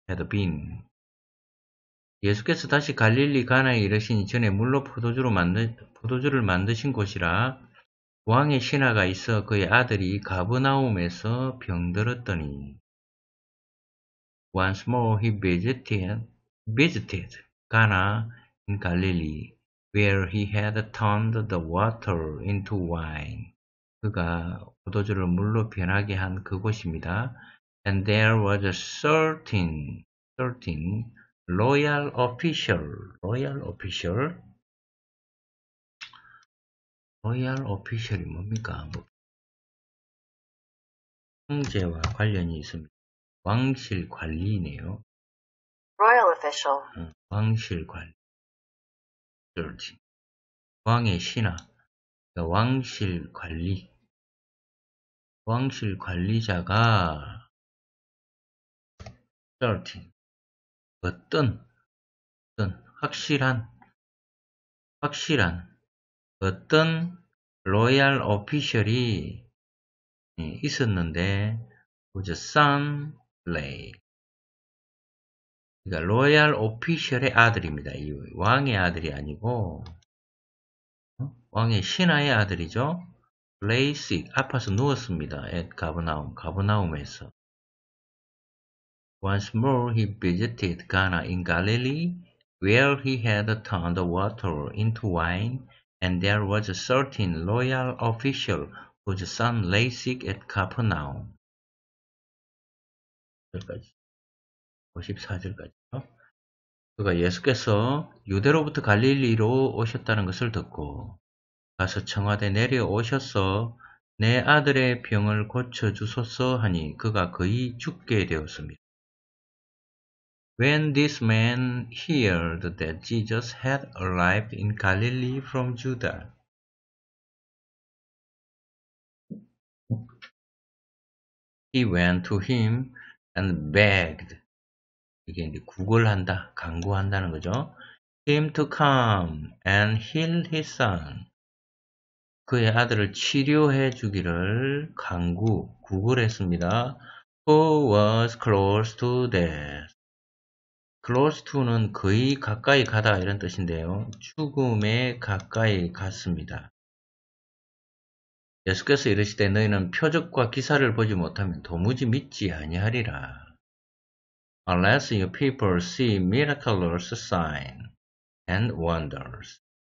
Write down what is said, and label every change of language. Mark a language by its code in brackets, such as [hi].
[en] Had been. [ko] 예수께서 다시 갈릴리 가나에 이르시니 전에 물로 포도주를 만드신 곳이라 왕의 신하가 있어 그의 아들이 가버나움에서 병들었더니 [en] Once more he visited Cana in Galilee where he had turned the water into wine. [ko] 그가 포도주를 물로 변하게 한 그곳입니다. [en] And there was a certain royal official이 [ko] 뭡니까? 뭐. 황제와 관련이 있습니다. 왕실 관리네요. [en] royal official. [ko] 왕실 관리. 그렇지. 왕의 신하. 그러니까 왕실 관리. 왕실 관리자가 certain 어떤 확실한 어떤 로얄 오피셜이 있었는데 [en] whose son lay [ko] 그러니까 로얄 오피셜의 아들입니다. 이 왕의 아들이 아니고 왕의 신하의 아들이죠. [en] lay sick [ko] 아파서 누웠습니다. [en] at [ko] 가버나움에서 [en] Once more he visited Cana in Galilee, where he had turned water into wine, and there was a certain royal official whose son lay sick at Capernaum. [ko] 54절까지. 그가 예수께서 유대로부터 갈릴리로 오셨다는 것을 듣고, 가서 청와대 내려오셔서 내 아들의 병을 고쳐주소서 하니 그가 거의 죽게 되었습니다. [en] When this man heard that Jesus had arrived in Galilee from Judah, he went to him and begged. [ko] 이게 이제 구걸한다, 간구한다는 거죠. [en] Him to come and heal his son. [ko] 그의 아들을 치료해 주기를 간구, 구걸했습니다. [en] Who was close to death. close to는 [ko] 거의 가까이 가다 이런 뜻인데요. 죽음에 가까이 갔습니다. 예수께서 이르시되 너희는 표적과 기사를 보지 못하면 도무지 믿지 아니하리라. [en] Unless your people see miraculous sign and wonders.